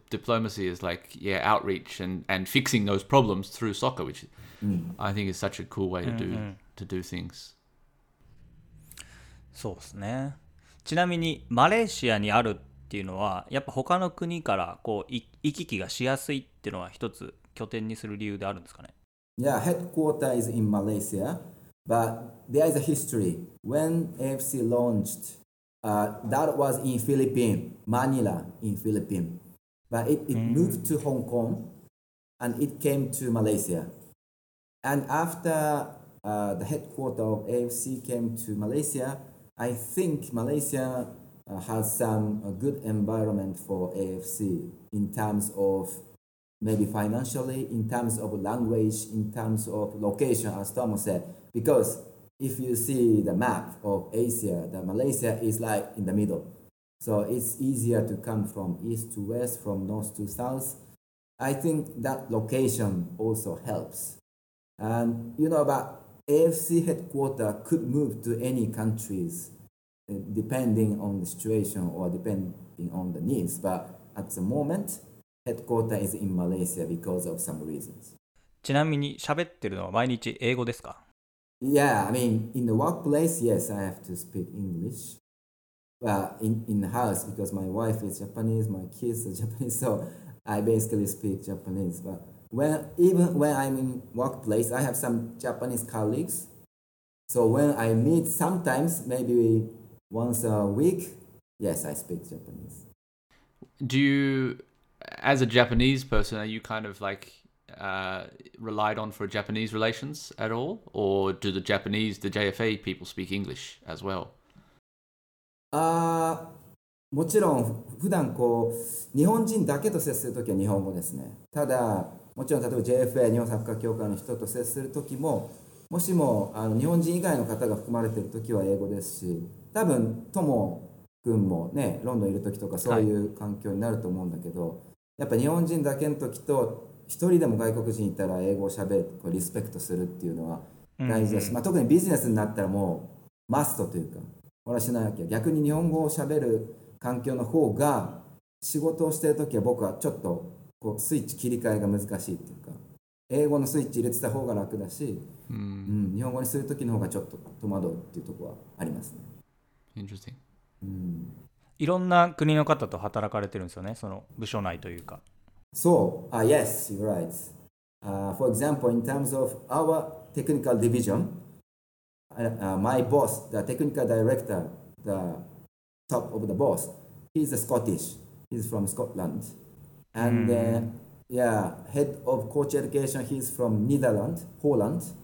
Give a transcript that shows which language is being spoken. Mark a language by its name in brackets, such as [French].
[English] Diplomacy is like, yeah, outreach and fixing those problems through soccer, which I think is such a cool way to do things. [Japanese] そうですね。ちなみにマレーシアにあるっていうのはやっぱ他の国からこう行き来がしやすいっていうのは一つ拠点にする理由であるんですかね。 [English] Yeah, headquarters is in Malaysia, but there is a history. When AFC launched, that was in Philippines, Manila in Philippines. But it moved to Hong Kong and it came to Malaysia. And after the headquarters of AFC came to Malaysia, I think Malaysia has some good environment for AFC in terms of maybe financially, in terms of language, in terms of location, as Tomo said. Because if you see the map of Asia, the Malaysia is like in the middle. So it's easier to come from east to west, from north to south. I think that location also helps. And you know, but AFC headquarters could move to any countries depending on the situation or depending on the needs. But at the moment, headquarters is in Malaysia because of some reasons. [Japanese] ちなみに喋ってるのは毎日英語ですか? [English] Yeah, I mean, in the workplace, yes, I have to speak English. Well, in the house, because my wife is Japanese, my kids are Japanese, so I basically speak Japanese. But when, even when I'm in workplace, I have some Japanese colleagues. So when I meet sometimes, maybe once a week, yes, I speak Japanese. Do you, as a Japanese person, are you kind of like... relied on for Japanese relations at all, or do the Japanese, the JFA people speak English as well? [Japanese] もちろん普段こう日本人だけと接するときは日本語ですね。ただもちろん例えば JFA 日本サッカー協会の人と接するときも、もしもあの日本人以外の方が含まれているときは英語ですし、多分トモ君もねロンドンいるときとかそういう環境になると思うんだけど、はい、やっぱ日本人だけのときと一人でも外国人いたら英語をしゃべる、こうリスペクトするっていうのは大事だし、まあ、特にビジネスになったらもうマストというか、俺はしないわけ。逆に日本語をしゃべる環境の方が仕事をしてるときは僕はちょっとこうスイッチ切り替えが難しいっていうか、英語のスイッチ入れてた方が楽だし、うんうん、日本語にするときの方がちょっと戸惑うっていうところはありますね。 [English] Interesting. [Japanese] いろんな国の方と働かれてるんですよね、その部署内というか。 [English] So, yes, you're right. For example, in terms of our technical division, my boss, the technical director, the top of the boss, he's a Scottish. He's from Scotland. And yeah, head of coach education, he's from Netherlands, Holland.